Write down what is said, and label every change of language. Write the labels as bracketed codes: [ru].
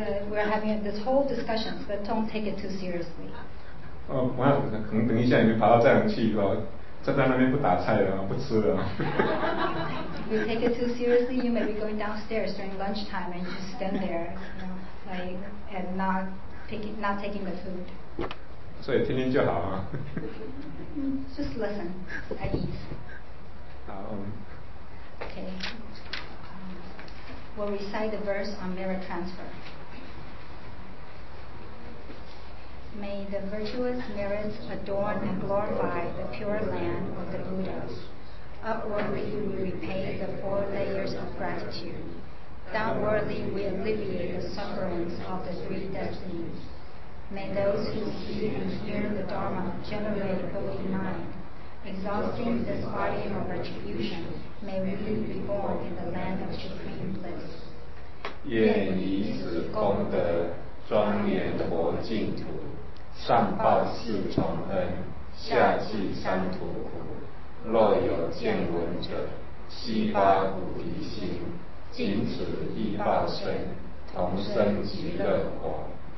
[en] we're having this whole discussion, but don't take it too seriously. [zh] Oh, 我要可能等一下你们爬到站上去了。站在那边不打菜了，不吃了。 [en] If you take it too seriously, you may be going downstairs during lunchtime and just stand there, you know, like and not taking the food. [zh] 所以听听就好啊。 [en] Just listen at ease. [zh] 好。 [en] Okay. We'll recite the verse on merit transfer. May the virtuous merits adorn and glorify the pure land of the Buddhas. Upwardly we repay the four layers of gratitude. Downwardly we alleviate the sufferings of the three destinies. May those who see and hear the Dharma generate Bodhi mind, exhausting this body of retribution, may we be born in the land of supreme bliss. [zh] 愿以此功德庄严佛净土，上报四重恩，下济三途苦。若有见闻者，悉发菩提心，尽此一报身，同生极乐国。